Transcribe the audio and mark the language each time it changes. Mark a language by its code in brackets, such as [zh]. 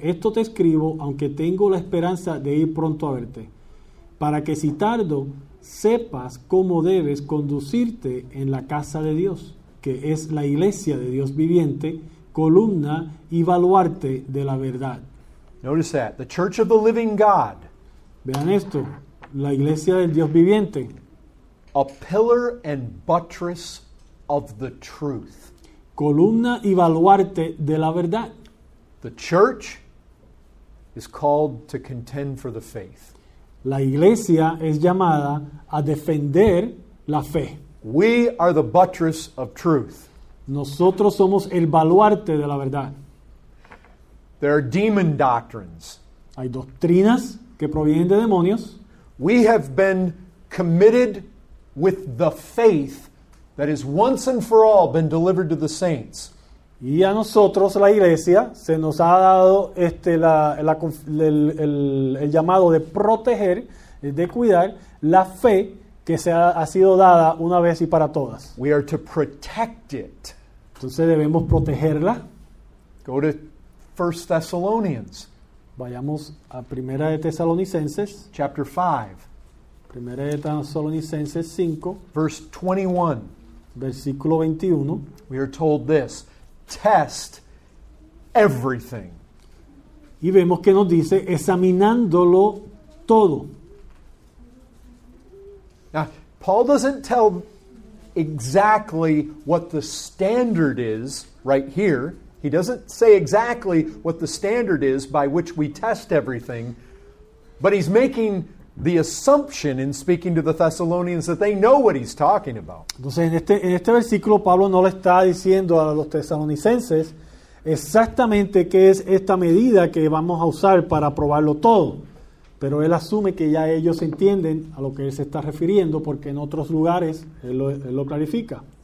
[es] Esto te escribo, aunque tengo la esperanza de ir pronto a verte, para que si tardo, sepas cómo debes conducirte en la casa de Dios, que es la iglesia de Dios viviente, columna y baluarte de la verdad. [en] Notice that, the Church of the Living God. [es] Vean esto, la iglesia del Dios viviente. [en] A pillar and buttress of the truth. [es] Columna y baluarte de la verdad. [en] The church is called to contend for the faith. [es] La iglesia es llamada a defender la fe. [en] We are the buttress of truth. [es] Nosotros somos el baluarte de la verdad. [en] There are demon doctrines. [es] Hay doctrinas que provienen de demonios. [en] We have been committed with the faith that has once and for all been delivered to the saints. [es] Y a nosotros, la iglesia, se nos ha dado el llamado de proteger, de cuidar la fe que se ha sido dada una vez y para todas. [en] We are to protect it. [es] Entonces debemos protegerla. [en] Go to 1 Thessalonians. [es] Vayamos a Primera de Tesalonicenses. [en] Chapter 5. [es] Primera de Tesalonicenses 5. [en] Verse 21. [es] Versículo 21. [en] We are told this. Test everything. [es] Y vemos que nos dice, examinándolo todo. [en] Now, Paul doesn't tell exactly what the standard is right here. He doesn't say exactly what the standard is by which we test everything. But he's making the assumption in speaking to the Thessalonians that they know what he's talking about. [es] Entonces, en este versículo, Pablo no le está diciendo a los tesalonicenses exactamente qué es esta medida que vamos a usar para probarlo todo. Pero él asume que ya ellos entienden a lo que él se está refiriendo, porque en otros lugares él lo clarifica.